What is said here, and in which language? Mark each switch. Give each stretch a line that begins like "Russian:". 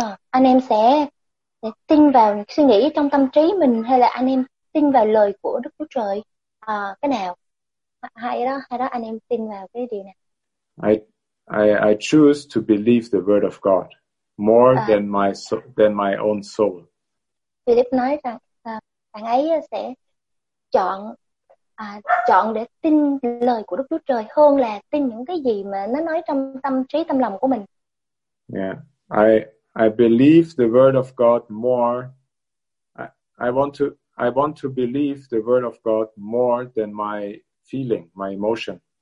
Vietnamese: Anh em sẽ tin vào suy nghĩ trong tâm trí mình hay là anh em tin vào lời của Đức Chúa Trời? Cái nào? Hay đó anh em tin vào cái điều nào?
English: I choose to believe the word of God more than my own soul.
Vietnamese: Philip nói rằng bạn ấy sẽ chọn để tin lời của Đức Chúa Trời hơn là tin những cái gì mà nó nói trong tâm trí, tâm lòng của mình.
English: Yeah, I believe the word of God more. I want to believe the word of God more than my feeling, my emotion.